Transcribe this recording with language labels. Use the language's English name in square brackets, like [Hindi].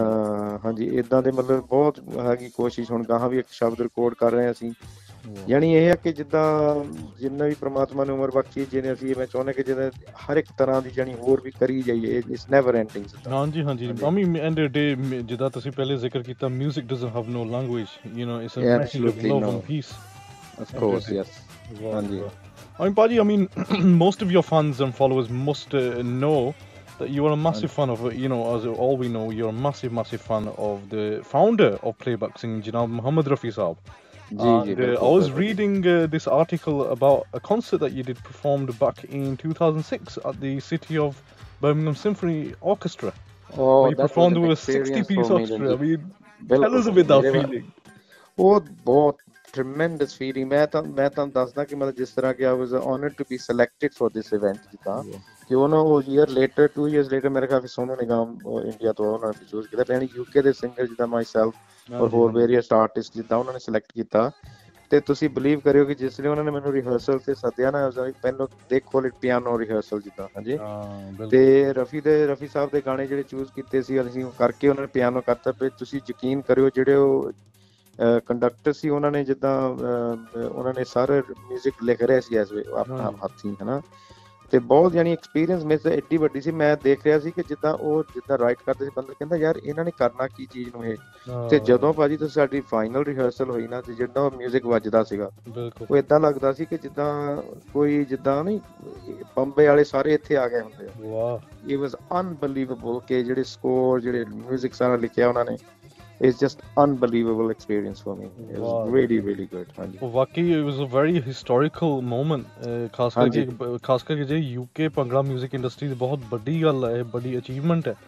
[Punjabi] ਤਾਂ ਹਾਂਜੀ ਇੱਦਾਂ ਦੇ ਮਤਲਬ ਬਹੁਤ ਹੈਗੀ ਕੋਸ਼ਿਸ਼ ਹੁਣ ਗਾਹਾਂ ਵੀ ਇੱਕ ਸ਼ਬਦ ਰਿਕਾਰਡ ਕਰ ਰਹੇ ਹਾਂ ਅਸੀਂ ਜਾਣੀ ਇਹ ਹੈ ਕਿ ਜਿੱਦਾਂ ਜਿੰਨਾ ਵੀ ਪਰਮਾਤਮਾ ਨੇ ਉਮਰ ਬਖਸ਼ੀ ਜਿਹਨੇ ਅਸੀਂ ਮੈਂ ਚਾਹੁੰਦਾ ਕਿ ਜਿਹਦੇ ਹਰ ਇੱਕ ਤਰ੍ਹਾਂ ਦੀ ਜਾਣੀ ਹੋਰ ਵੀ ਕਰੀ ਜਾਈਏ [English] it's never ending ਹਾਂਜੀ ਹਾਂਜੀ ਮੰਮੀ ਐਂਡ ਡੇ [Punjabi] ਜਿੱਦਾਂ ਤੁਸੀਂ ਪਹਿਲੇ ਜ਼ਿਕਰ ਕੀਤਾ [English] Music doesn't have no language you know it's a absolutely love and peace of course yes ਹਾਂਜੀ I mean, most of your fans and followers must know that you are a massive fan of, you know, as all we know, you're a massive, massive fan of the founder of Playback Singing, Jinaab Muhammad Rafi Saab. I was reading this article about a concert that you did performed back in 2006 at the City of Birmingham Symphony Orchestra. Oh, you performed with a 60-piece orchestra. I mean, tell us a bit that feeling. Oh, both. Tremendous feeling. [Punjabi] ਮੈਂ ਤਾਂ ਦੱਸਦਾ ਕਿ ਮਤਲਬ ਜਿਸ ਤਰ੍ਹਾਂ ਕਿ [English] I was honoured to be selected for this event [Punjabi] ਜਿੱਦਾਂ ਕਿ ਉਹਨਾਂ ਉਹ year later to years later ਮੇਰੇ ਖਿਆਲ ਸੋਨੂ ਨਿਗਮ ਇੰਡੀਆ ਤੋਂ ਉਹਨਾਂ ਨੇ ਚੂਜ਼ ਕੀਤਾ ਯਾਨੀ ਯੂਕੇ ਦੇ ਸਿੰਗਰ ਜਿੱਦਾਂ ਮਾਈ ਸੈਲਫ ਔਰ ਹੋਰ ਵੇਰੀਅਸ ਆਰਟਿਸਟ ਜਿੱਦਾਂ ਉਹਨਾਂ ਨੇ ਸਿਲੈਕਟ ਕੀਤਾ ਤੇ ਤੁਸੀਂ ਬਿਲੀਵ ਕਰਿਓ ਕਿ ਜਿਸ ਵੇਲੇ ਉਹਨਾਂ ਨੇ ਮੈਨੂੰ ਰਿਹਰਸਲ ਤੇ ਸੱਦਿਆ ਨਾ ਪਹਿਲਾਂ ਦੇਖੋ ਲਿਟ ਪਿਆਨੋ ਰਿਹਰਸਲ ਜਿੱਦਾਂ ਹਾਂਜੀ ਤੇ ਰਫੀ ਸਾਹਿਬ ਦੇ ਗਾਣੇ ਜਿਹੜੇ ਚੂਜ਼ ਕੀਤੇ ਸੀ ਅਸੀਂ ਕਰਕੇ ਉਹਨਾਂ ਨੇ ਪਿਆਨੋ ਕਰਤਾ ਪਏ ਤੁਸੀਂ ਯਕੀਨ ਕਰਿਓ ਜਿਹੜੇ ਉਹ ਕੰਡਕਟਰ ਸੀ ਉਹਨਾਂ ਨੇ ਜਿੱਦਾਂ ਉਹਨਾਂ ਨੇ ਸਾਰੇ ਮਿਊਜ਼ਿਕ ਲਿਖ ਰਿਹਾ ਸੀ ਇਸ ਵੇਲੇ ਆਪਣਾ ਹੱਥੀ ਹੈ ਨਾ ਤੇ ਬਹੁਤ ਜਾਣੀ ਐਕਸਪੀਰੀਅੰਸ ਮੇਰੇ ਤੋਂ ਐਡੀ ਵੱਡੀ ਸੀ ਮੈਂ ਦੇਖ ਰਿਹਾ ਸੀ ਕਿ ਜਿੱਦਾਂ ਉਹ ਜਿੱਦਾਂ ਰਾਈਟ ਕਰਦੇ ਸੀ ਬੰਦਾ ਕਹਿੰਦਾ ਯਾਰ ਇਹਨਾਂ ਨੇ ਕਰਨਾ ਕੀ ਚੀਜ਼ ਨੂੰ ਇਹ ਤੇ ਜਦੋਂ ਭਾਜੀ ਤੁਸੀਂ ਸਾਡੀ ਫਾਈਨਲ ਰਿਹਰਸਲ ਹੋਈ ਨਾ ਤੇ ਜਿੱਦਾਂ ਉਹ ਮਿਊਜ਼ਿਕ ਵੱਜਦਾ ਸੀਗਾ ਉਹ ਏਦਾਂ ਲੱਗਦਾ ਸੀ ਕਿ ਜਿੱਦਾਂ ਕੋਈ ਜਿੱਦਾਂ ਨੀ ਬੰਬੇ ਵਾਲੇ ਸਾਰੇ ਇੱਥੇ ਆ ਗਏ ਹੁੰਦੇ ਇਹ [English] was unbelievable [Punjabi] ਕਿ ਜਿਹੜੇ ਸਕੋਰ ਜਿਹੜੇ ਮਿਊਜ਼ਿਕ ਸਾਰਾ ਲਿਖਿਆ ਉਹਨਾਂ ਨੇ [English] It's just unbelievable experience for me. It was really, really good. Vaki, it was a very historical moment. [Hindi] Khaskar ke [English] UK Bhangra music industry is a very big deal, a big achievement.